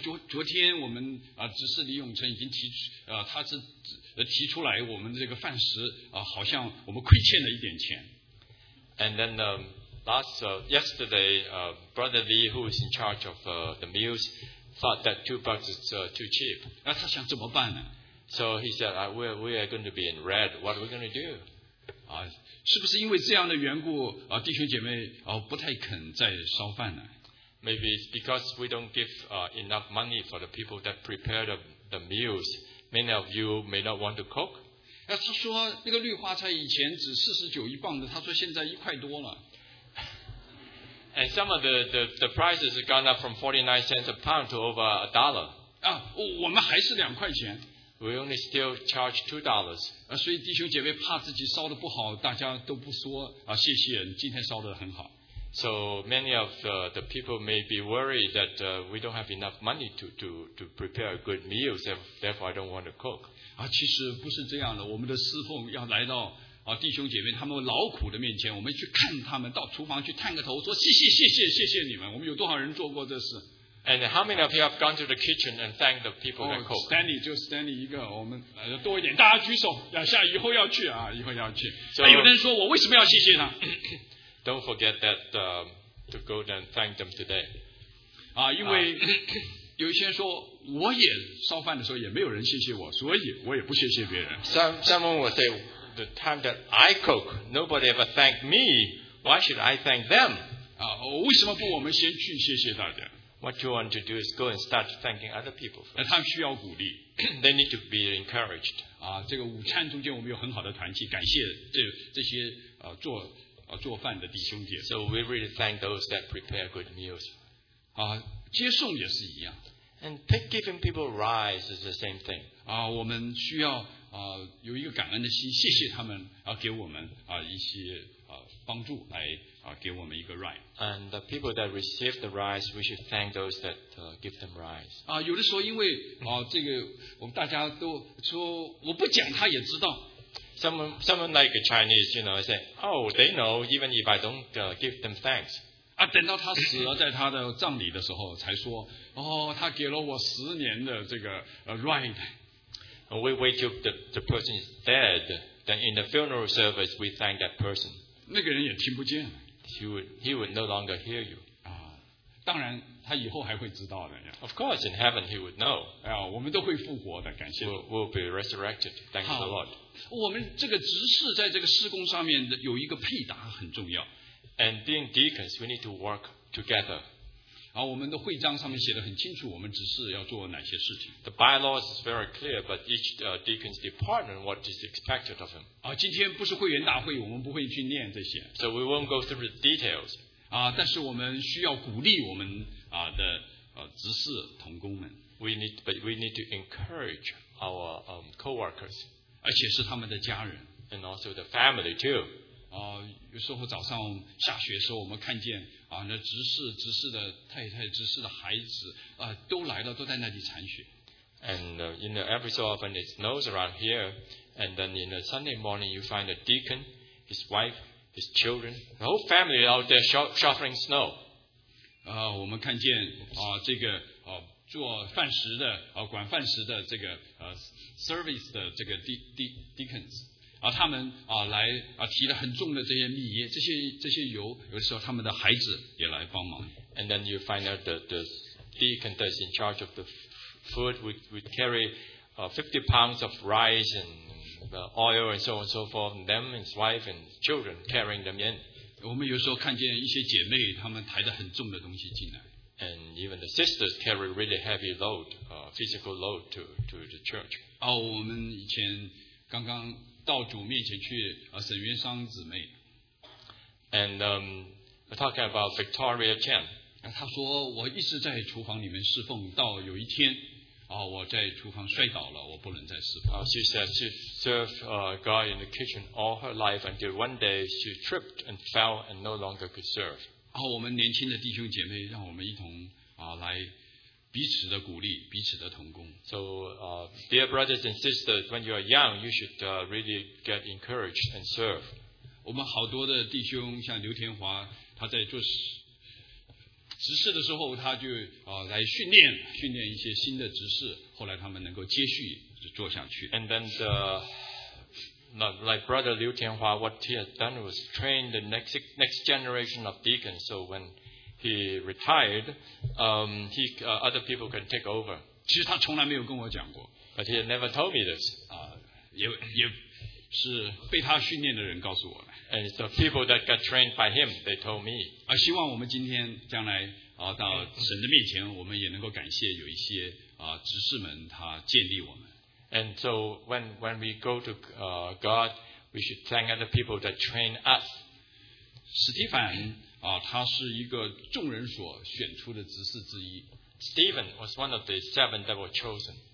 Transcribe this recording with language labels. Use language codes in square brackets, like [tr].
[zh] 昨天我们执事李永成已经提出来我们这个饭食好像我们亏欠了一点钱。 [en] And then yesterday, Brother Lee, who is in charge of the meals, thought that $2 is too cheap. [zh] 那他想怎么办呢？ [en] So he said, we are going to be in red. What are we going to do? 是不是因为这样的缘故弟兄姐妹不太肯再烧饭呢？ Maybe it's because we don't give enough money for the people that prepare the meals. Many of you may not want to cook. [zh] 他说那个绿花菜以前只49一磅的，他说现在一块多了。 [en] And some of the prices have gone up from 49 cents a pound to over a dollar. [zh] 啊，我们还是两块钱。 [en] We only still charge $2. [zh] 啊，所以弟兄姐妹怕自己烧得不好，大家都不说啊，谢谢，今天烧得很好。 [en] So many of the people may be worried that we don't have enough money to prepare a good meal, so therefore I don't want to cook. [zh] 啊，其实不是这样的，我们的侍奉要来到啊弟兄姐妹他们劳苦的面前，我们去看他们，到厨房去探个头，说谢谢你们，我们有多少人做过这事？ [en] And how many of you have gone to the kitchen and thanked the people that cook? [zh] Stanley, 就 Stanley 一个，我们多一点，大家举手，下以后要去啊，以后要去。 [en] So, [zh] 有的人说我为什么要谢谢呢？ [en] Don't forget that to go and thank them today. [zh] 啊，因为有一些人说我也烧饭的时候也没有人谢谢我，所以我也不谢谢别人。 [en] Someone would say, the time that I cook, nobody ever thanked me. Why should I thank them? [zh] 啊，为什么不我们先去谢谢大家？ [en] What you want to do is go and start thanking other people for. [zh] 他们需要鼓励。 [en] They need to be encouraged. [zh] 啊，这个午餐中间我们有很好的团契，感谢这些做饭的弟兄姐。 [en] So we really thank those that prepare good meals. [zh] 啊，接送也是一样。 [en] And giving people rides is the same thing. [zh] 啊，我们需要有一个感恩的心，谢谢他们给我们一些帮助来。给我们一个 ride. [en] And the people that receive the rides, we should thank those that give them rides. [zh] 啊，有的时候因为这个我们大家都说我不讲他也知道。 [en] Someone like a Chinese, you know, say, oh, they know even if I don't give them thanks. [zh] 啊，等到他死了，在他的葬礼的时候才说，哦，他给了我十年的这个ride. [en] And we wait till the person is dead, then in the funeral service we thank that person. [zh] 那个人也听不见。 [en] He would no longer hear you. [zh] 啊，当然他以后还会知道的。 [en] Of course, in heaven he would know. [zh] 哎呀，我们都会复活的，感谢。 [en] We'll be resurrected. Thank the Lord. [zh] 我们这个执事在这个事工上面有一个配搭很重要。 [en] And being deacons, we need to work together. [zh] 啊，我们的会章上面写的很清楚，我们执事要做哪些事情。 [en] The bylaws is very clear, but each deacon's department what is expected of him. [zh] 啊，今天不是会员大会，我们不会去念这些。 [en] So we won't go through the details. [zh] 啊，但是我们需要鼓励我们的执事同工们。 [en] We need to encourage our coworkers. [zh] 而且是他们的家人。 [en] And also the family too. [zh] 啊，有时候早上下学的时候，我们看见。啊，那执事的太太、执事的孩子都来了，都在那里铲雪。 [en] And you know, every so often it snows around here, and then in the Sunday morning you find the deacon, his wife, his children, the whole family out there shoveling snow. [zh] 我们看见这个做饭食的管饭食的这个service 的这个 deacons。他们来提了很重的这些米，这些油，有的时候他们的孩子也来帮忙。 [en] And then you find out the deacon that's in charge of the food would carry 50 pounds of rice and oil and so on and so forth, and them and his wife and children carrying them in. [zh] 我们有时候看见一些姐妹他们抬着很重的东西进来。 [en] And even the sisters carry really heavy load, physical load to the church. [zh] 我们以前刚刚到主面前去沈元商姊妹 [en] ，and talking about Victoria Chan， [zh] 他说我一直在厨房里面侍奉，到有一天我在厨房摔倒了，我不能再侍奉。 [en] She said she served God in the kitchen all her life until one day she tripped and fell and no longer could serve。 [zh] 我们年轻的弟兄姐妹，让我们一同来。彼此的鼓励，彼此的同工。 [en] So, dear brothers and sisters, when you are young, you should really get encouraged and serve. [zh] 我们好多的弟兄，像刘天华，他在做执事的时候，他就来训练一些新的执事，后来他们能够接续做下去。 [en] And then the like brother Liu Tianhua, what he has done was train the next generation of deacons. So when he retired, other people can take over. [zh] 其实他从来没有跟我讲过。 [en] But he had never told me this. [zh] 也是被他训练的人告诉我的。 [en] And it's the people that got trained by him, they told me. [zh] 希望我们今天将来到神的面前，我们也能够感谢有一些执事们他建立我们。 [en] And so when we go to God, we should thank other people that train us. [zh] 史蒂凡他是一个众人所选出的执事之一。 [en] Stephen was one of the seven that were chosen.